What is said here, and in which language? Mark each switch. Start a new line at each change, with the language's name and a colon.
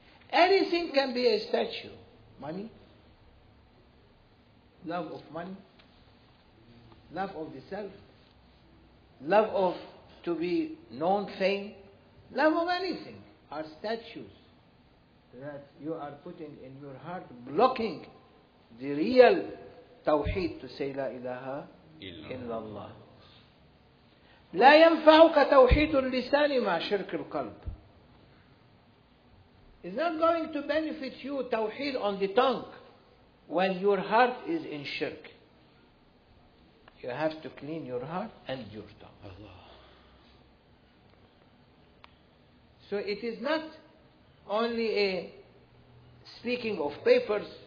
English: Anything can be a statue. Money, love of money, love of the self, love of to be known fame, love of anything are statues that you are putting in your heart, blocking the real Tawheed to say La ilaha illallah.
Arabic: لا ينفعك توحيد اللسان مع شرك القلب.
English: It's not going to benefit you توحيد on the tongue when your heart is in shirk. You have to clean your heart and your tongue. Allah. So it is not only a speaking of papers.